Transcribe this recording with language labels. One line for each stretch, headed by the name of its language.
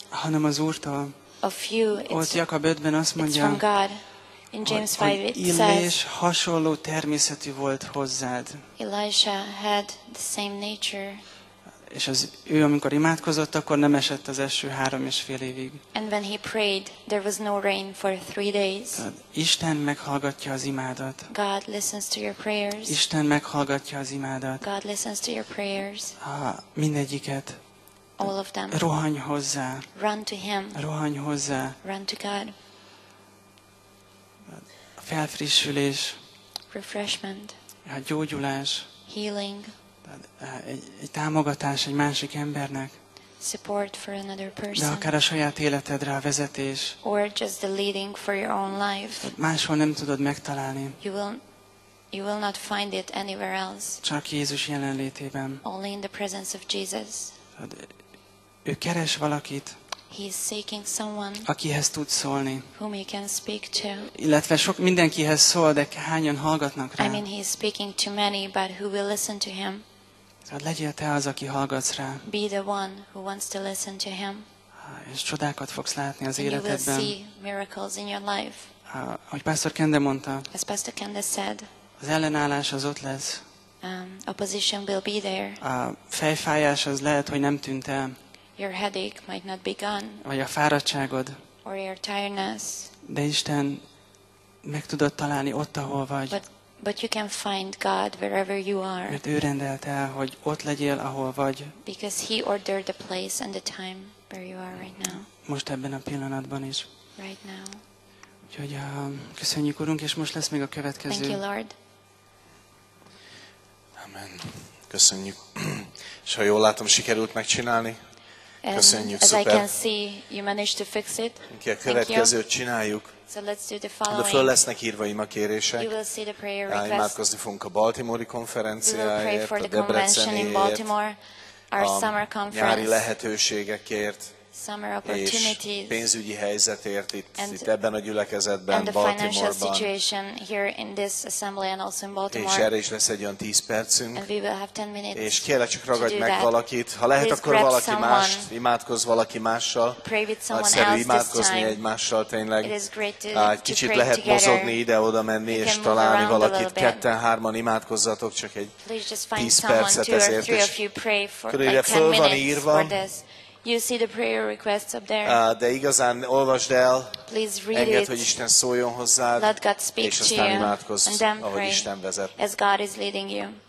Hungarian: Hanem az Úrtól.
English: Of you.
Hungarian: Ott Jakab 5-ben azt mondja.
English: It's from God. In James 5 it
Hungarian: Illés
English: says.
Hungarian: Illés hasonló természetű volt hozzád.
English: Elisha had the same nature.
Hungarian: És az ő, amikor imádkozott, akkor nem esett az eső 3,5 évig.
English: And when he prayed, there was no rain for 3 days.
Hungarian: Isten meghallgatja az imádat.
English: God listens to your prayers.
Hungarian: Isten meghallgatja az imádat.
English: God listens to your prayers.
Hungarian: Mindegyiket.
English: All of them.
Hungarian: Rohanj hozzá.
English: Run to him.
Hungarian: Rohanj hozzá.
English: Run to God.
Hungarian: Felfrissülés.
English: Refreshment.
Hungarian: Gyógyulás.
English: Healing.
Hungarian: Egy támogatás egy másik embernek.
English: Support for another person.
Hungarian: De akár a saját életedre a vezetés.
English: Or just the leading for your own life.
Hungarian: Máshol nem tudod megtalálni.
English: You will not find it anywhere else.
Hungarian: Csak Jézus jelenlétében.
English: Only in the presence of Jesus.
Hungarian: Ő keres valakit.
English: He is seeking someone.
Hungarian: Akihez tud szólni.
English: Whom he can speak to.
Hungarian: Illetve sok mindenkihez szól, de hányan hallgatnak rá?
English: I mean, he is speaking to many, but who will listen to him?
Hungarian: Hát legyél te az, aki hallgatsz rá.
English: Be the one who wants to listen to him.
Hungarian: És csodákat fogsz látni az
English: and
Hungarian: életedben.
English: You will see miracles in your life.
Hungarian: Ahogy Pastor Kende mondta.
English: As Pastor Kende said.
Hungarian: Az ellenállás az ott lesz.
English: Opposition will be there.
Hungarian: A fejfájás az lehet, hogy nem tűnt el.
English: Your headache might not be gone.
Hungarian: Vagy a fáradtságod.
English: Or your tiredness.
Hungarian: De Isten meg tudod találni ott, ahol vagy.
English: But you can find God wherever you are.
Hungarian: Mert ő rendelte el, hogy ott legyél, ahol vagy.
English: Because he ordered the place and the time where you are right now.
Hungarian: Most ebben a pillanatban is.
English: Right now.
Hungarian: Úgyhogy köszönjük, Urunk, és most lesz még a következő.
English: Thank you, Lord.
Hungarian: Amen. Köszönjük. És ha jól látom, sikerült megcsinálni.
English: And
Hungarian: köszönjük,
English: as
Hungarian: szuper.
English: I can see, you managed to fix it.
Hungarian: Ki a következőt csináljuk.
English: So let's do the following.
Hungarian: De föl lesznek írva imakérések.
English: You will see the prayer request.
Hungarian: Imádkozni fogunk a baltimori konferenciáért, a debreceniért, a
English: summer conference,
Hungarian: nyári lehetőségekért,
English: summer opportunities,
Hungarian: és pénzügyi helyzetért itt ebben a gyülekezetben,
English: Baltimoreban. And the financial situation here in this assembly and also in Baltimore.
Hungarian: És erre is lesz egy olyan 10 percünk.
English: And we will have 10 minutes.
Hungarian: És kérlek, csak ragadj meg valakit. Ha lehet, akkor valaki más, imádkozz valaki mással.
English: Pray with someone else this time.
Hungarian: Imádkozni egymással tényleg.
English: It is great to pray together.
Hungarian: Kicsit lehet mozogni ide-oda menni és találni valakit. Ketten, hárman imádkozzatok, csak egy 10 percet ezért.
English: Please just find someone, two or three of you, pray for like 10 minutes for this. You see the prayer requests up there.
Hungarian: De igazán olvasd el.
English: Please read it.
Hungarian: Engedd, hogy Isten szóljon hozzád.
English: Let God speak to you.
Hungarian: És aztán imádkozz, ahogy Isten vezet.
English: As God is leading you.